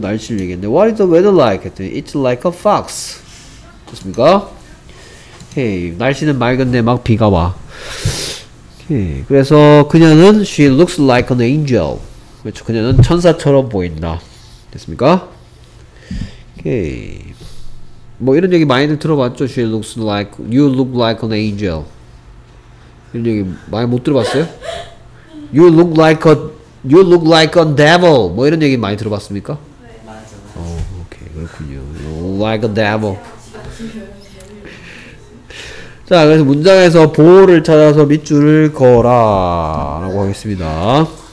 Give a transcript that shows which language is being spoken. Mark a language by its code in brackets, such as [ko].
[ko] 날씨를 얘기했는데. [en] What is the weather like? 했더니 It's like a fox. [ko] 됐습니까? 오케이. 날씨는 맑은데 막 비가 와. [en] 오케이. [ko] 그래서 그녀는 [en] She looks like an angel. 그렇죠. [ko] 그녀는 천사처럼 보인다. 됐습니까? 오케이. 뭐 이런 얘기 많이들 들어봤죠? [en] She looks like, you look like an angel. [ko] 이런 얘기 많이 못 들어봤어요? [en] You look like a devil. [ko] 뭐 이런 얘기 많이 들어봤습니까? 네, 맞아요. 맞아. 오, 오케이. 그렇군요. [en] You look like a devil. [ko] 자, 그래서 문장에서 보호를 찾아서 밑줄을 거라 라고 하겠습니다.